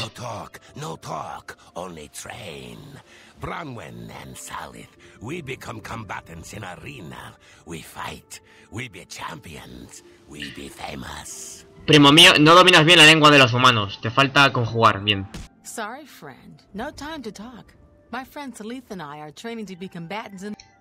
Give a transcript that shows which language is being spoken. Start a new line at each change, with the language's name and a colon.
English: No talk, no talk, only train. Bronwyn and Salith, we become combatants in arena. We fight, we be champions, we be famous.
Spanish: Primo mío, no dominas bien la lengua de los humanos. Te falta conjugar bien.
English: Sorry, friend. No time to talk. My friend Salith and I are training to be combatants in...